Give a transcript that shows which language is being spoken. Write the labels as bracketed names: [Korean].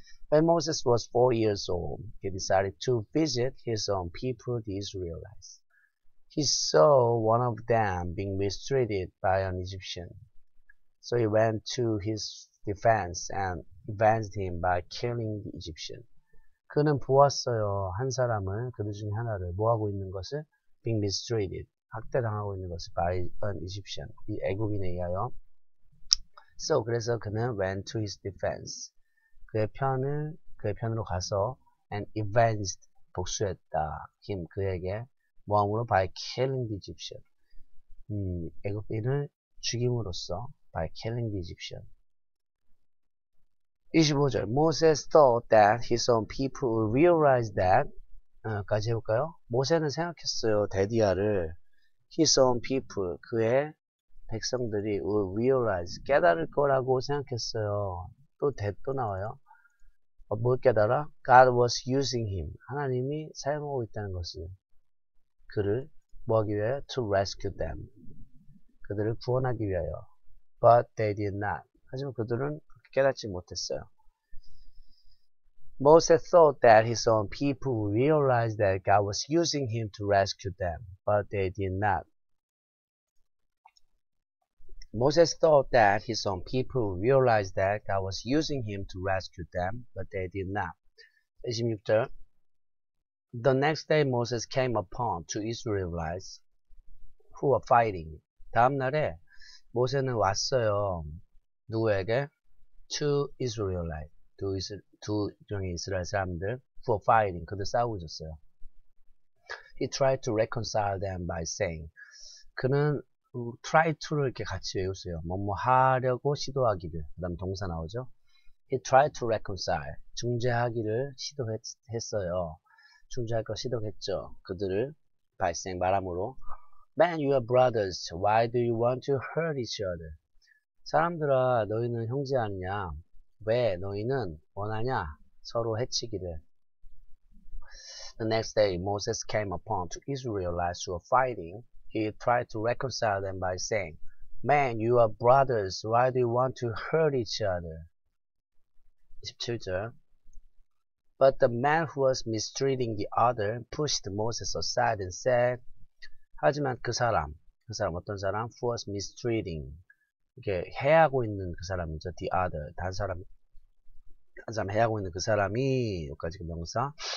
[English] When Moses was 4 years old, he decided to visit his own people, the Israelites. He saw one of them being mistreated by an Egyptian. So he went to his defense and avenged him by killing the Egyptian. [Korean] 그는 보았어요. 한 사람을, 그들 중에 하나를. 뭐 하고 있는 것을? [English] Being mistreated. [Korean] 학대당하고 있는 것을. [English] By an Egyptian. [Korean] 이 애굽인에 의하여. [English] So, [Korean] 그래서 그는 [English] went to his defense. [Korean] 그의 편으로 가서 [English] and avenged [Korean] 복수했다 [English] him [Korean] 그에게 모함으로 [English] by killing the Egyptian [Korean] 애굽인을 죽임으로써 [English] by killing the Egyptian 25절 Moses thought that his own people would realize that [Korean] 까지 해볼까요? 모세는 생각했어요 대디아를 [English] his own people [Korean] 그의 백성들이 [English] would realize [Korean] 깨달을 거라고 생각했어요 또 나와요 뭘 깨달아? [English] God was using him. [Korean] 하나님이 사용하고 있다는 것을. 그를 뭐하기 위하여? [English] To rescue them. [Korean] 그들을 구원하기 위하여. [English] But they did not. [Korean] 하지만 그들은 깨닫지 못했어요. [English] Moses thought that his own people realized that God was using him to rescue them. But they did not. Moses thought that his own people realized that God was using him to rescue them, but they did not. [Korean] 26절. [English] The next day Moses came upon two Israelites who were fighting. [Korean] 다음 날에 모세는 왔어요. 누구에게? [English] Two Israelites. [Korean] 두 종의 이스라엘 사람들 [English] who were fighting. [Korean] 그들 싸우고 있었어요. [English] He tried to reconcile them by saying, [Korean] 그는 try to를 이렇게 같이 외우세요. 뭐뭐 하려고 시도하기를. 그 다음 동사 나오죠. [English] He tried to reconcile. [Korean] 중재하기를 시도했어요. 중재할 걸 시도했죠. 그들을 발생 말함으로 [English] Man, you are brothers. Why do you want to hurt each other? [Korean] 사람들아, 너희는 형제 아니냐? 왜 너희는 원하냐? 서로 해치기를. [English] The next day, Moses came upon two Israelites who were fighting. He tried to reconcile them by saying, Man, you are brothers. Why do you want to hurt each other? [Korean] 27절. [English] But the man who was mistreating the other pushed Moses aside and said, [Korean] 하지만 그 사람, 어떤 사람? [English] Who was mistreating. [Korean] 이렇게 해하고 있는 그 사람이죠. [English] The other. [Korean] 다른 사람 해하고 있는 그 사람이, 여기까지 명사.